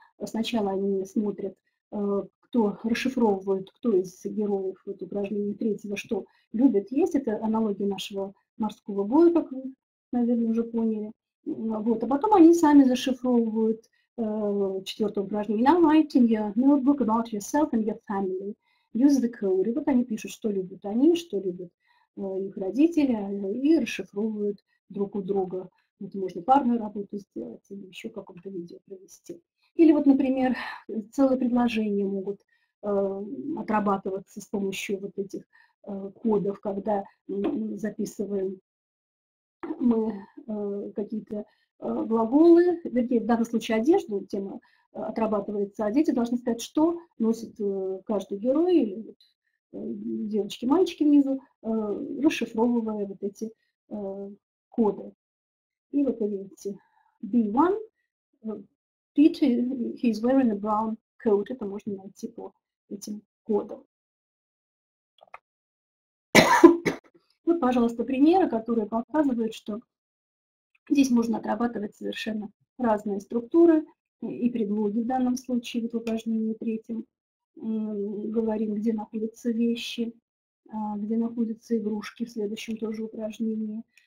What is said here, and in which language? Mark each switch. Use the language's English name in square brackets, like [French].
[Russian] Сначала они смотрят, кто расшифровывает, кто из героев вот, упражнения третьего, что любит есть. Это аналогия нашего морского боя, как вы, наверное, уже поняли. Вот. А потом они сами зашифровывают четвертое упражнение. [English] Now write in your notebook about yourself and your family. Use the code. [Russian] И вот они пишут, что любят они, что любят их родители, и расшифровывают друг у друга. Вот можно парную работу сделать или еще каком-то видео провести. Или вот, например, целые предложения могут отрабатываться с помощью вот этих кодов, когда записываем мы какие-то глаголы, вернее, в данном случае одежду, тема отрабатывается, а дети должны сказать, что носит каждый герой, или вот, девочки, мальчики внизу, расшифровывая вот эти коды. И вот вы видите, [English] B1, Peter, he's wearing a brown coat. [Russian] Это можно найти по этим кодам. Вот, пожалуйста, примеры, которые показывают, что здесь можно отрабатывать совершенно разные структуры и предлоги в данном случае. Вот в упражнении третьем говорим, где находятся вещи, где находятся игрушки в следующем тоже упражнении.